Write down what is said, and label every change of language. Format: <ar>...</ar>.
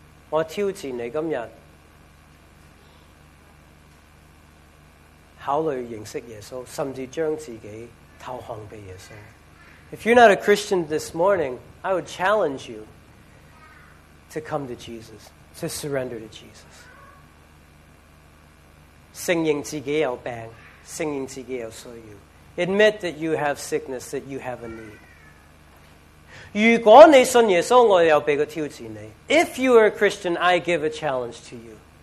<yue>我挑戰你今日考慮認識耶穌，甚至將自己投降俾耶穌。</yue> <en>If you're not a Christian this morning, I would challenge you to come to Jesus, to surrender to Jesus.</en> <yue>承認自己有病，承認自己有需要。</yue> <en>Admit that you have sickness, that you have a need.</en> <yue>如果你信耶稣，我又俾个挑战你。</yue> <en>If you are a Christian, I give a challenge to you.</en>